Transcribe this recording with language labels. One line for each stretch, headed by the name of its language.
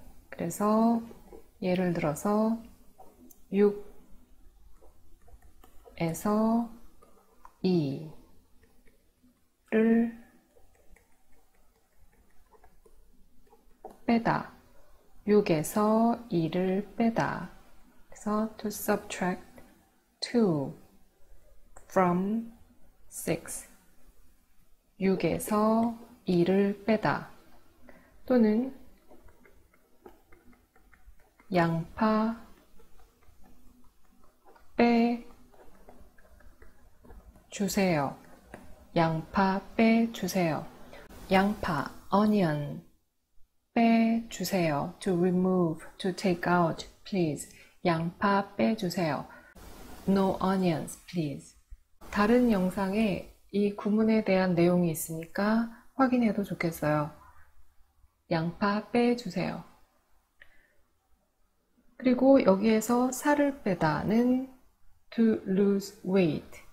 Korean: 그래서 예를 들어서 육에서 이를 빼다. 6에서 2를 빼다. 그래서
English: to subtract 2 from 6.
Korean: 6에서 2를 빼다. 또는 양파 빼 주세요. 양파 빼 주세요. 양파, onion, 빼 주세요.
English: To remove, to take out, please.
Korean: 양파 빼 주세요.
English: No onions, please.
Korean: 다른 영상에 이 구문에 대한 내용이 있으니까 확인해도 좋겠어요. 양파 빼 주세요. 그리고 여기에서 살을 빼다는
English: to lose weight.